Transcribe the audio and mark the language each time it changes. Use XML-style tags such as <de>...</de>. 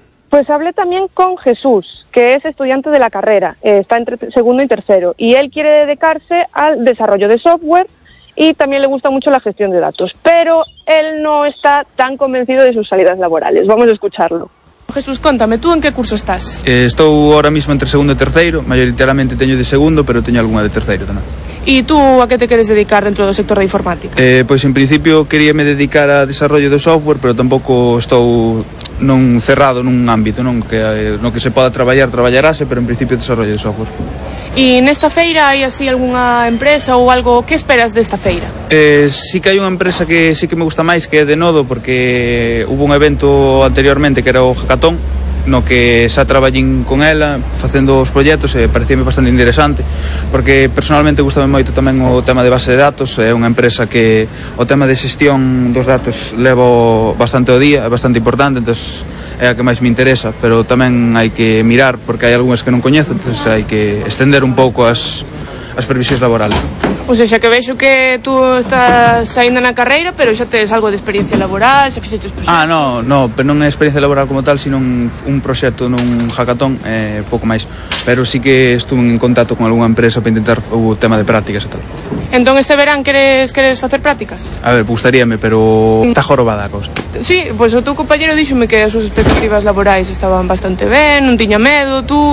<es>Pues hablé también con Jesús, que es estudiante de la carrera, está entre segundo y tercero, y él quiere dedicarse al desarrollo de software y también le gusta mucho la gestión de datos, pero él no está tan convencido de sus salidas laborales. Vamos a escucharlo. Jesús, contame, ¿tú en qué curso estás?</es> <gl>Estou ahora mismo entre segundo e terceiro, mayoritariamente teño de segundo, pero teño alguna de terceiro tamén. ¿Y tú a qué te queres dedicar dentro do sector da informática? Pois en principio queríame dedicar a desarrollo de software, pero tampouco estou non cerrado nun ámbito, non que no que se poda traballar, traballarase, pero en principio desarrollo de software. ¿Y nesta feira hai así alguna empresa ou algo? ¿Qué esperas desta feira? Sí que hai unha empresa que sí que me gusta máis, que é de Nodo, porque hubo un evento anteriormente que era o Hackathon, no que xa traballín con ela facendo os proxectos, parecíame bastante interesante, porque personalmente gustame moito tamén o tema de base de datos. É unha empresa que o tema de xestión dos datos levo bastante o día, é bastante importante, entón é a que máis me interesa, pero tamén hai que mirar, porque hai algúnas que non coñezo, entón hai que estender un pouco as previsións laborales. Ou seja, que vexo que tú estás saindo na carreira, pero xa tes algo de experiencia laboral, xa fixeches proxectos. Ah, no, pero non é experiencia laboral como tal, sino un proxecto nun hackathon, pouco máis. Pero sí que estuve en contacto con algunha empresa para intentar o tema de prácticas e tal. Entón este verán queres facer prácticas? A ver, gustaríame, pero está jorobada a cosa. Sí, pois pues o teu compañero díxome que as súas expectativas laborais estaban bastante ben, non tiña medo.</gl>